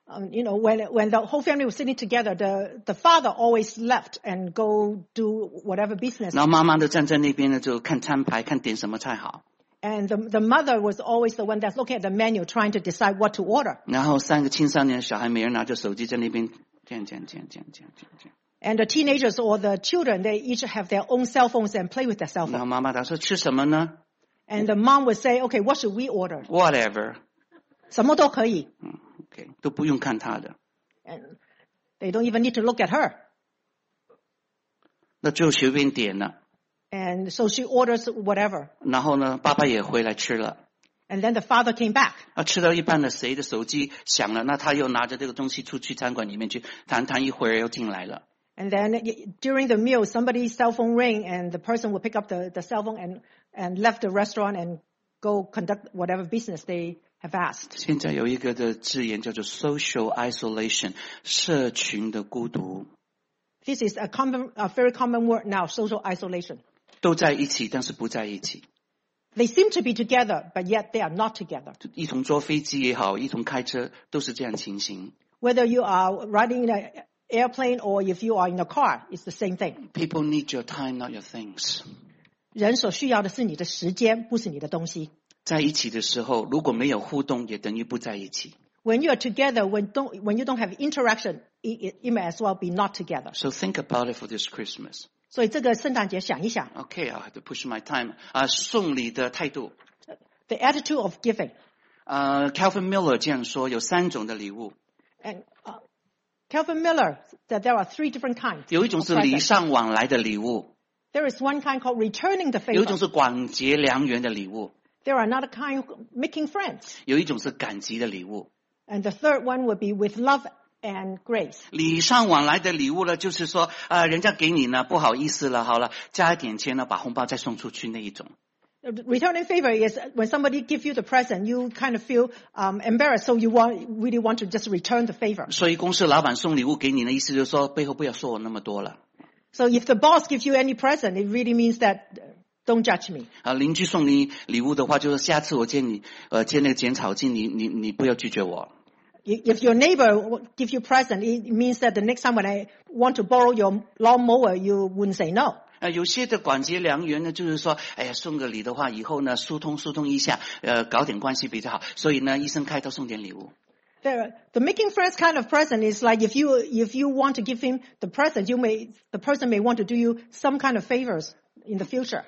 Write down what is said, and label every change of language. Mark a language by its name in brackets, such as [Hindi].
[English] You know, when the whole family was sitting together, the father always left and go do whatever business. [Chinese] 然后妈妈就站在那边呢，就看餐牌，看点什么菜好。 [English] And the mother was always the one that's looking at the menu, trying to decide what to order. [Chinese] 然后三个青少年小孩，每人拿着手机在那边。 [English] And the teenagers or the children, they each have their own cell phones and play with their cell phones. [Chinese] 然后妈妈她说吃什么呢 [English] ？And the mom would say, "Okay, what should we order?" Whatever. [Chinese] 什么都可以。 Okay, 都不用看她的。 [English] And they don't even need to look at her. [Chinese] 那就随便点了。 [English] And so she orders whatever. [Chinese] 然后呢，爸爸也回来吃了。 [English] And then the father came back. [Chinese] 吃到一半的谁的手机响了，那他又拿着这个东西出去餐馆里面去谈一会儿又进来了。 [English] And then during the meal, somebody's cell phone rang, and the person would pick up the cell phone and left the restaurant and go conduct whatever business they have asked. [Chinese] 现在有一个的字眼叫做 social isolation, 社群的孤独。 [English] This is a very common word now, social isolation. [Chinese] 都在一起，但是不在一起。 [English] They seem to be together, but yet they are not together. [Chinese] 一同坐飞机也好，一同开车，都是这样情形。 [English] Whether you are riding in an airplane or if you are in a car, it's the same thing. People need your time, not your things. [Chinese] 人所需要的是你的时间，不是你的东西。在一起的时候，如果没有互动，也等于不在一起。 [English] When you are together, when you don't have interaction, it may as well be not together. So think about it for this Christmas. [Chinese] 所以这个圣诞节想一想。 [English] Okay, I have to push my time. [Chinese] 送礼的态度。 [English] The attitude of giving. [Chinese] Calvin Miller 这样说，有三种的礼物。 [English] And Calvin Miller that there are three different kinds. [Chinese] 有一种是礼尚往来的礼物。 [English] There is one kind called returning the favor. [Chinese] 有一种是广结良缘的礼物。 [English] There are another kind making friends. [Chinese] 有一种是感激的礼物。 [English] And the third one would be with love. And grace. [Chinese] 礼尚往来的礼物呢，就是说，人家给你呢，不好意思了，好了，加一点钱呢，把红包再送出去那一种。 [English] Returning favor is when somebody gives you the present, you kind of feel embarrassed, so you really want to just return the favor. [Chinese] 所以公司老板送礼物给你呢，意思就是说，背后不要说我那么多了。 [English] So if the boss gives you any present, it really means that don't judge me. [Chinese] 邻居送你礼物的话，就是下次我见你，见那个剪草机，你不要拒绝我。 [English] If your neighbor give you present, it means that the next time when I want to borrow your lawnmower, you wouldn't say no. [Chinese] 有些的广结良缘呢，就是说，哎呀，送个礼的话，以后呢，疏通一下，搞点关系比较好。所以呢，医生开头送点礼物。 [English] The making friends kind of present is like if you want to give him the present, the person may want to do you some kind of favors in the future.